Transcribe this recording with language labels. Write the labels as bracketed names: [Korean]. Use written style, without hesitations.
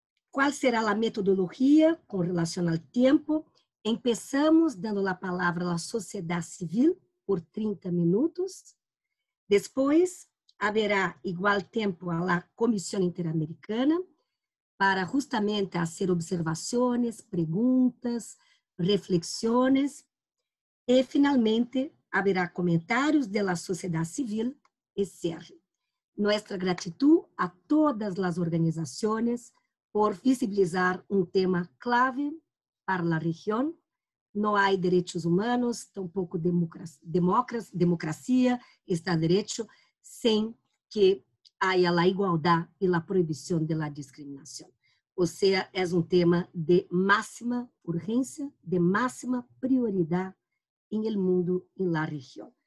[Portuguese] Qual será a metodologia com relação ao tempo? [Spanish] Empezamos dando la palabra a la sociedad civil por 30 minutos. Después, habrá igual tiempo a la Comisión Interamericana para justamente hacer observaciones, preguntas, reflexiones. Y finalmente, habrá comentarios de la sociedad civil y cierre. Nuestra gratitud a todas las organizaciones por visibilizar un tema clave para la región. [Portuguese] Não há direitos humanos, tampouco democracia, está direito, sem que haja a igualdade e a proibição da discriminação. Ou seja, é um tema de máxima urgência, de máxima prioridade em [Spanish] el mundo [Portuguese] e na região.